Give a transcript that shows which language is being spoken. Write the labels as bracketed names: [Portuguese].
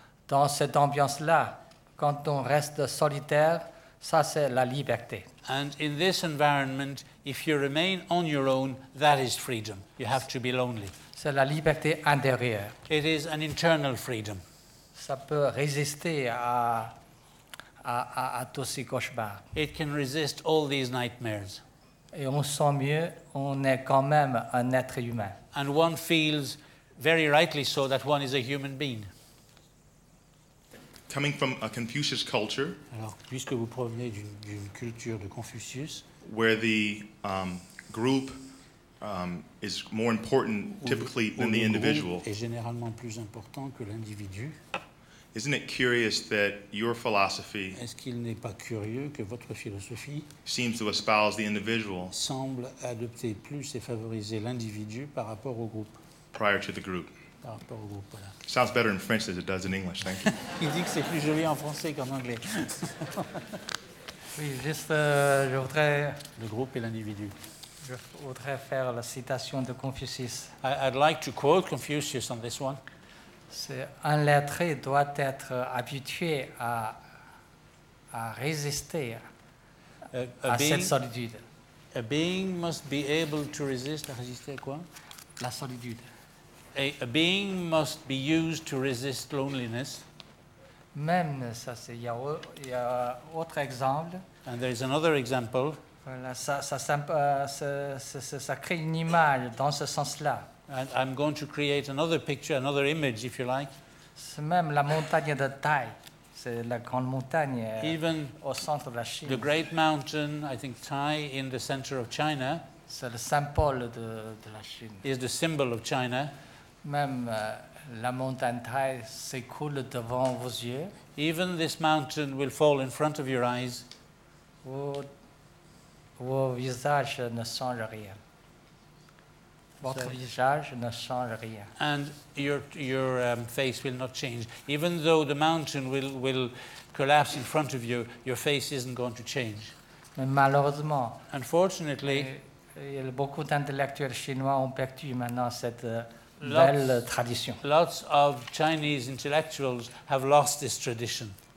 [French] Dans cette ambiance-là, quand on reste solitaire, ça c'est la liberté. [English] And in this environment, if you remain on your own, that is freedom. You have to be lonely. [French] C'est la liberté intérieure. [English] It is an internal freedom. [French] Ça peut résister à tous ces cauchemars. [English] It can resist all these nightmares. [French] Et on sent mieux, on est quand même un être humain. [English] And one feels, very rightly so, that one is a human being. Coming from a Confucius culture, [French] alors, puisque vous provenez d'une culture de Confucius, [English] where the group is more important typically than the individual, [French] est généralement plus important que l'individu. [English] Isn't it curious that your philosophy, [French] est-ce qu'il n'est pas curieux que votre philosophie, [English] seems to espouse the individual, [French] semble adopter plus et favoriser l'individu par rapport au groupe, [English] prior to the group. [French] Par rapport au groupe, voilà. [English] Sounds better in French than it does in English, thank you. [French] Il dit que c'est plus joli en français qu'en anglais. Oui, juste, je voudrais... Le groupe et l'individu. Je voudrais faire la citation de Confucius. [English] I'd like to quote Confucius on this one. [French] C'est un lettré doit être habitué à résister à cette solitude. [English] A being must be able to resist. [French] À résister à quoi? La solitude. [English] A being must be used to resist loneliness. [French] Même ça, c'est il y a autre exemple. [English] And there is another example. [French] Voilà, ça crée une image dans ce sens-là. [English] And I'm going to create another picture, another image, if you like. [French] C'est même la montagne de Tai. C'est la grande montagne au centre de la Chine. [English] The great mountain, I think Tai, in the center of China. [French] C'est le symbole de la Chine. [English] Is the symbol of China. [French] Même la montagne Tai s'écoule devant vos yeux. [English] Even this mountain will fall in front of your eyes. [French] Vos visages ne changent rien. Votre visage ne change rien. [English] And your face will not change. Even though the mountain will collapse in front of you, your face isn't going to change. [French] Mais malheureusement, [English] unfortunately, [French] beaucoup d'intellectuels chinois ont perdu maintenant cette belle tradition. [English] Lots of Chinese intellectuals have lost this tradition.